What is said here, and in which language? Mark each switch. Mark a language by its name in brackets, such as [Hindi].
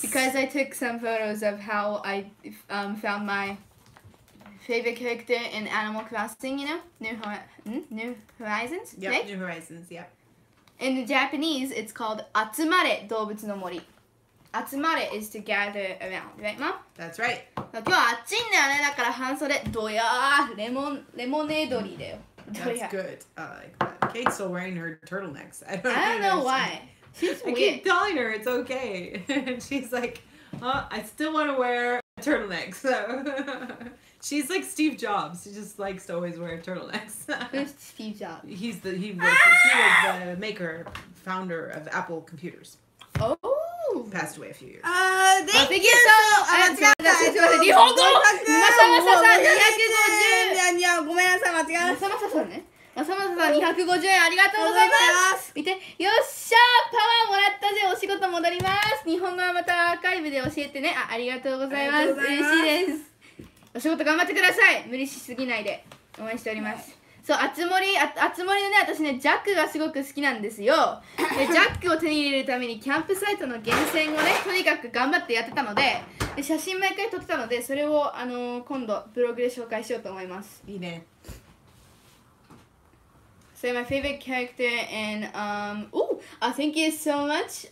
[English] Because I took some photos of how I found my favorite character in Animal Crossing, you know? New Horizons? Yep, right? New Horizons, yep. In the Japanese, it's called Atsumare Doubutsu no Mori. Atsumare is to gather around, right, Mom? That's right. [Japanese] So, 今日は暑いんだよね、だから半袖、ドヤーレモネードリーだよ。 [English] That's good. Like that. Kate's still wearing her turtlenecks. I don't know why. She's weird. I keep telling her it's okay. She's like, oh, I still want to wear a turtleneck. So. She's like Steve Jobs. She just likes to always wear turtlenecks. Who's Steve Jobs? He was the maker, founder of Apple computers. Oh! passed away a few years. Thank you so much. I forgot that. [Japanese] 日本語マサマサさん250円。ごめんなさい、間違えました。マサマサさんね。マサマサさん250円ありがとうございます。見て、よっしゃパワーもらったぜ、お仕事戻ります。日本語はまたアーカイブで教えてね。ありがとうございます。嬉しいです。お仕事頑張ってください。無理しすぎないで。応援しております。そう、あつ森、あつ森のね、私ね、ジャックがすごく好きなんですよ。で、ジャックを手に入れるためにキャンプサイトの厳選をね、とにかく頑張ってやってたので、で写真毎回撮ってたので、それを、今度ブログで紹介しようと思います。いいね。 [English] So my favorite character and thank you so much.